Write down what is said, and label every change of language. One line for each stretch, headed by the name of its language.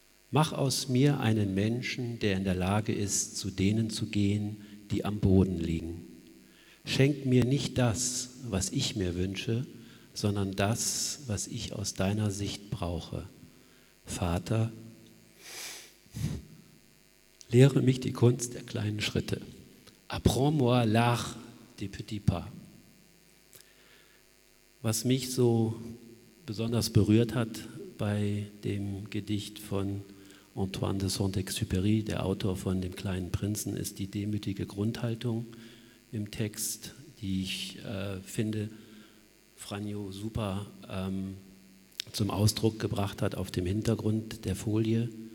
German: Mach aus mir einen Menschen, der in der Lage ist, zu denen zu gehen, die am Boden liegen. Schenk mir nicht das, was ich mir wünsche, sondern das, was ich aus deiner Sicht brauche. Vater, lehre mich die Kunst der kleinen Schritte.
French: Apprends-moi l'art des petits pas.
German: Was mich so besonders berührt hat bei dem Gedicht von Antoine de Saint-Exupéry, der Autor von Dem kleinen Prinzen, ist die demütige Grundhaltung im Text, die ich finde, Franjo super zum Ausdruck gebracht hat auf dem Hintergrund der Folie.